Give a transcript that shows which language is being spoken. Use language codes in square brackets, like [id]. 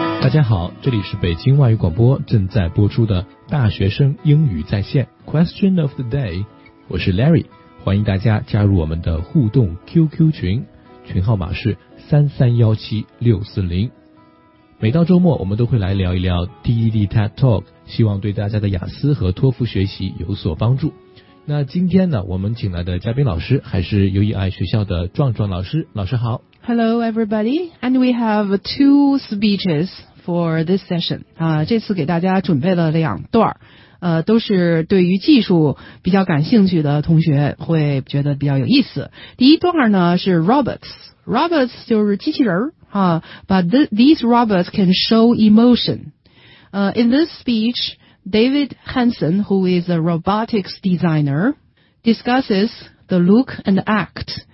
[zh] 家好，这里是北京外语广播正在播出的大学生英语在线 Question of the Day， 我是 Larry， 欢迎大家加入我们的互动 QQ 群，群号码是331-7640。每到周末，我们都会来聊一聊 TED TED Talk， 希望对大家的雅思和托福学习有所帮助。那今天呢，我们请来的嘉宾老师还是 UEI 学校的壮壮老师，老师好。 [en] Hello everybody, and we have two speeches for this session. [zh] 这次给大家准备了两段，都是对于技术比较感兴趣的同学会觉得比较有意思。第一段呢是 robots 就是机器人 but these robots can show emotion. [en] In this speech, David Hansen, who is a robotics designer, discusses the look and act.